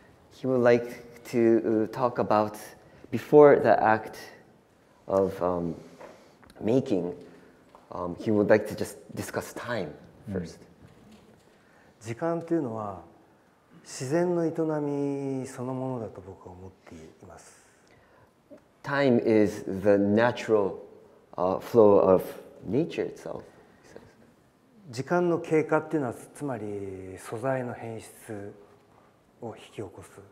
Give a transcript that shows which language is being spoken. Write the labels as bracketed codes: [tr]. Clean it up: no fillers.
[en] He would like to talk about, before the act of making, he would like to just discuss time first. [ja] 時間というのは自然の営みそのものだと僕は思っています。 [en] Time is the natural flow of nature itself. [ja] 時間の経過っていうのはつまり素材の変質を引き起こす。